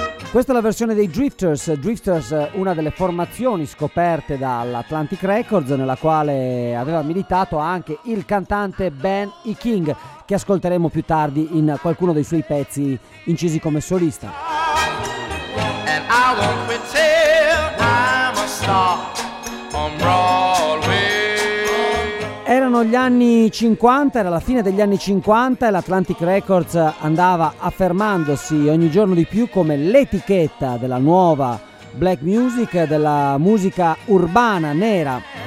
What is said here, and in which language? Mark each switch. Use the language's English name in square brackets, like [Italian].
[Italian] Questa è la versione dei Drifters. Drifters, una delle formazioni scoperte dall'Atlantic Records, nella quale aveva militato anche il cantante Ben E. King, che ascolteremo più tardi in qualcuno dei suoi pezzi incisi come solista. [English] And I won't quit till I'm a star on Broadway. [Italian] Erano gli anni 50, era la fine degli anni 50 e l'Atlantic Records andava affermandosi ogni giorno di più come l'etichetta della nuova black music, della musica urbana nera.